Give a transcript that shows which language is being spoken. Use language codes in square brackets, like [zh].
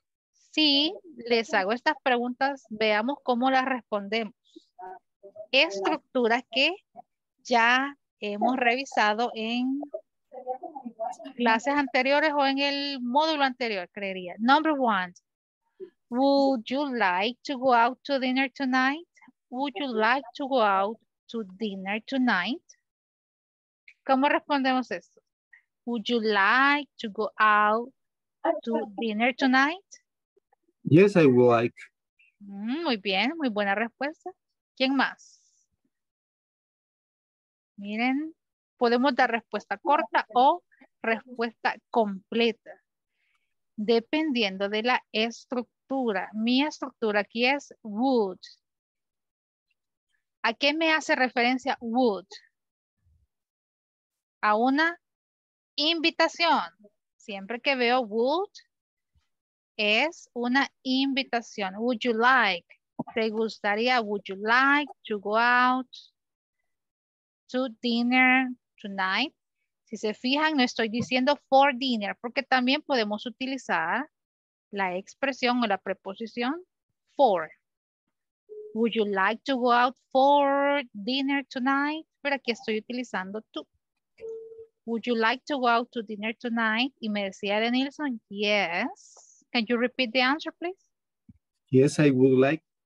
[es] Sí, les hago estas preguntas, veamos cómo las respondemos. Estructuras que ya hemos revisado en clases anteriores o en el módulo anterior, creería. [en] Number one, would you like to go out to dinner tonight? Would you like to go out to dinner tonight? [es] ¿Cómo respondemos esto? [en] Would you like to go out to dinner tonight? Yes, I would like. [es] Muy bien, muy buena respuesta. ¿Quién más? Miren, podemos dar respuesta corta o respuesta completa, dependiendo de la estructura. Mi estructura aquí es would. ¿A qué me hace referencia would? A una invitación. Siempre que veo would, es una invitación. [en] Would you like? [es] ¿Te gustaría? [en] Would you like to go out to dinner tonight? [es] Si se fijan, no estoy diciendo [en] for dinner, [es] porque también podemos utilizar la expresión o la preposición for. [en] Would you like to go out for dinner tonight? [es] Pero aquí estoy utilizando to. [en] Would you like to go out to dinner tonight? [es] Y me decía [en] Denilson, yes. Can you repeat the answer, please? Yes, I would like.